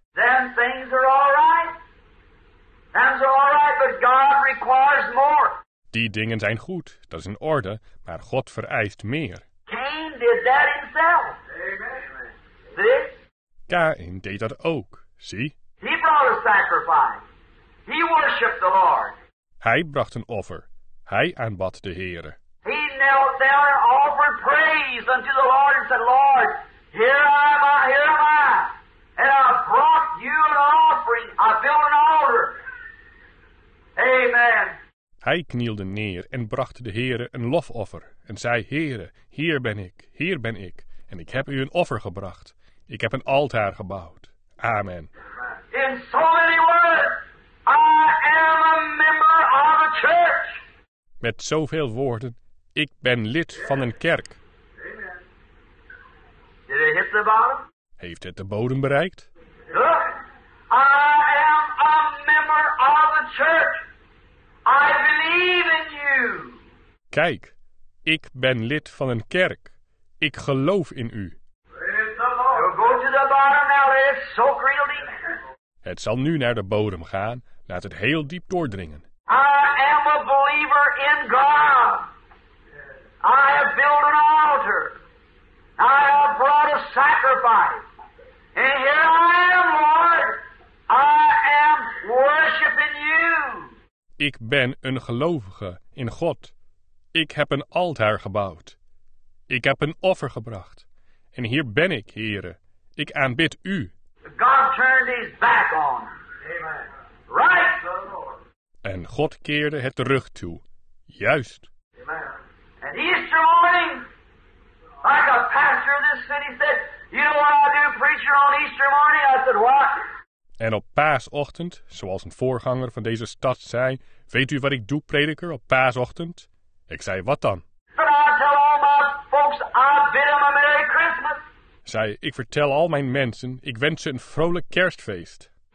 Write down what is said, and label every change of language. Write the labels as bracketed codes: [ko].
[en] Then things are all right. Things are all right, but God requires more. [nl] Die dingen zijn goed, dat is in orde, maar God vereist meer. [en] Cain did that himself. Amen. See? [nl] Cain deed dat ook. Zie? [en] He brought a sacrifice. He worshipped the Lord. [nl] Hij bracht een offer. Hij aanbad de Heere. [en] He knelt down and offered praise unto the Lord and said, Lord, here am I, and I brought you an offering. I built an altar. Amen. [nl] Hij knielde neer en bracht de Heere een lofoffer en zei, Heere, hier ben ik, en ik heb u een offer gebracht. Ik heb een altaar gebouwd. Amen. [en] In so many words. I am a member of a church. [nl] Met zoveel woorden, ik ben lid van een kerk. [en] Amen. Did it hit the bottom? [nl] Heeft het de bodem bereikt? [en] Look, I am a member of a church. I believe in you. [nl] Kijk, ik ben lid van een kerk. Ik geloof in u. [en] Go to the bottom now, it's so real deep. [nl] Het zal nu naar de bodem gaan. Laat het heel diep doordringen. [en] I am a believer in God. I have built an altar. I have brought a sacrifice. And here I am, Lord. I am worshiping you. [nl] Ik ben een gelovige in God. Ik heb een altaar gebouwd. Ik heb een offer gebracht. En hier ben ik, Heere. Ik aanbid u. [en] God turned his back on. Right. [nl] En God keerde het rug toe. Juist. [en] And Easter morning, like a pastor of this city said, you know what I do, preacher, on Easter morning? I said, what? [nl] En op paasochtend, zoals een voorganger van deze stad zei, weet u wat ik doe, prediker, op paasochtend? Ik zei, wat dan? [en] But I tell all my folks, I bid them a Merry Christmas. [nl] Zei, ik vertel al mijn mensen, ik wens ze een vrolijk kerstfeest.